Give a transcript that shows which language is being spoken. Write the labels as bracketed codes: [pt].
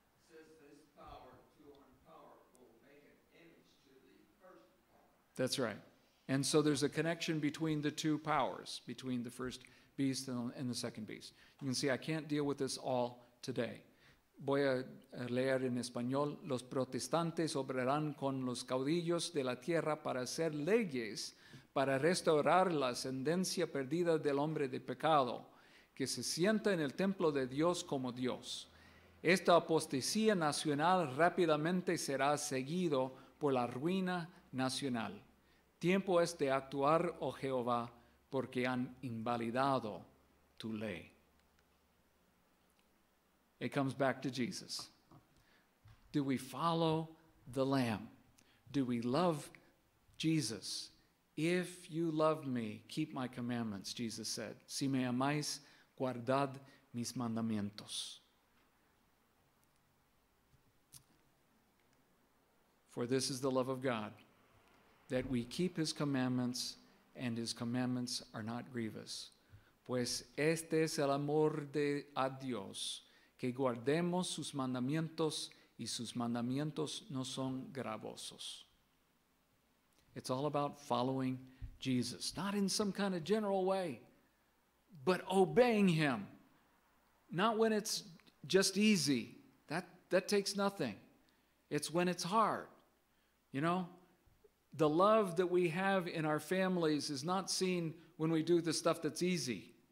[en] It says this power to own power will make an image to the first power. That's right. And so there's a connection between the two powers, between the first beast and the second beast. You can see I can't deal with this all today. [es] Voy a leer en español. Los protestantes obrarán con los caudillos de la tierra para hacer leyes para restaurar la ascendencia perdida del hombre de pecado que se sienta en el templo de Dios como Dios. Esta apostasía nacional rápidamente será seguido por la ruina nacional. Tiempo es de actuar, oh Jehová, porque han invalidado tu ley. [en] It comes back to Jesus. Do we follow the Lamb? Do we love Jesus? If you love me, keep my commandments, Jesus said. [es] Si me amáis, guardad mis mandamientos. [en] For this is the love of God, that we keep his commandments, and his commandments are not grievous. [es] Pues este es el amor de a Dios, que guardemos sus mandamientos, y sus mandamientos no son gravosos. [en] It's all about following Jesus, not in some kind of general way, but obeying him. Not when it's just easy. That takes nothing. It's when it's hard. You know, the love that we have in our families is not seen when we do the stuff that's easy.